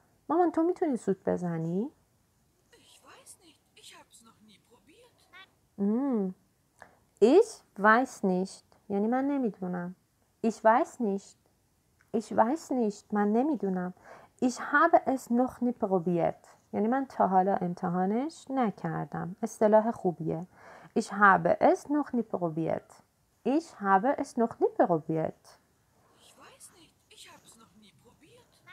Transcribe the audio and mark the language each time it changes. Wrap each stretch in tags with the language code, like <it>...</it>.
<fa>ماما, تو میتونی سوت بزنی؟</fa> <de>Ich weiß nicht. Ich hab's noch nie probiert. Ich weiß nicht.</de> <fa>یعنی من نمیدونم.</fa> <de>Ich weiß nicht. Ich weiß nicht.</de> <fa>من نمیدونم.</fa> <de>Ich habe es noch nie probiert.</de> <fa>یعنی من تا حالا امتحانش نکردم. اصطلاح خوبیه.</fa> <de>Ich habe es noch nie probiert. Ich habe es noch nie probiert. Ich weiß nicht. Ich habe es noch nie probiert.</de>